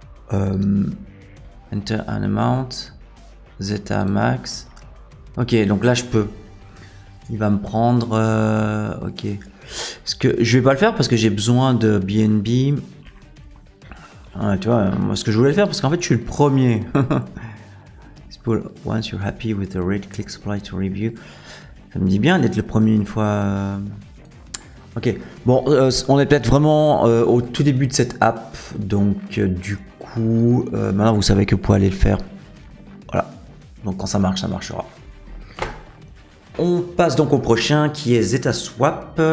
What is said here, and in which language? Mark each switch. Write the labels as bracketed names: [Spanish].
[English] Enter an amount. [French] Zeta max. Ok, donc là je peux. Il va me prendre. Ok. Parce que je vais pas le faire parce que j'ai besoin de BNB. Ah, tu vois, moi ce que je voulais le faire parce qu'en fait je suis le premier. [English] Once you're happy with the read, click supply to review. [French] Ça me dit bien d'être le premier une fois. Ok. Bon, on est peut-être vraiment au tout début de cette app. Donc, du coup, maintenant vous savez que vous pouvez aller le faire. Donc, quand ça marche, ça marchera. On passe donc au prochain qui est ZetaSwap.